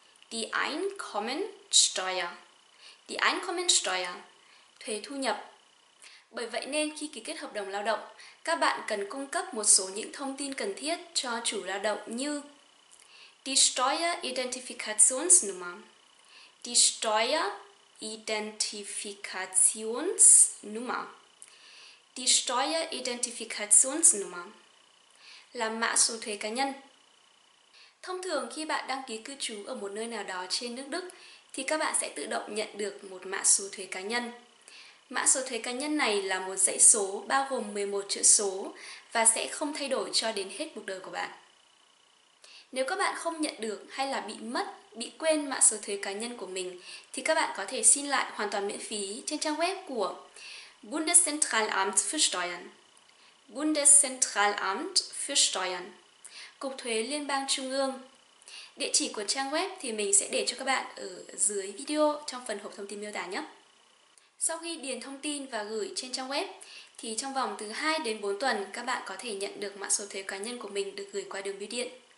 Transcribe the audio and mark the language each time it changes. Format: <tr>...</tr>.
<de>Die Einkommensteuer. Die Einkommensteuer.</de> <vi>Thuế thu nhập. Bởi vậy nên khi ký kết hợp đồng lao động, các bạn cần cung cấp một số những thông tin cần thiết cho chủ lao động như Die Steueridentifikationsnummer.</vi> <de>Die Steueridentifikationsnummer. Die Steueridentifikationsnummer.</de> <vi>Là mã số thuế cá nhân. Thông thường khi bạn đăng ký cư trú ở một nơi nào đó trên nước Đức thì các bạn sẽ tự động nhận được một mã số thuế cá nhân. Mã số thuế cá nhân này là một dãy số bao gồm 11 chữ số và sẽ không thay đổi cho đến hết cuộc đời của bạn. Nếu các bạn không nhận được hay là bị mất, bị quên mã số thuế cá nhân của mình thì các bạn có thể xin lại hoàn toàn miễn phí trên trang web của Bundeszentralamt für Steuern.</vi> <de>Bundeszentralamt für Steuern.</de> <vi>Cục thuế liên bang trung ương. Địa chỉ của trang web thì mình sẽ để cho các bạn ở dưới video trong phần hộp thông tin miêu tả nhé. Sau khi điền thông tin và gửi trên trang web thì trong vòng từ 2 đến 4 tuần các bạn có thể nhận được mã số thuế cá nhân của mình được gửi qua đường bưu điện.</vi>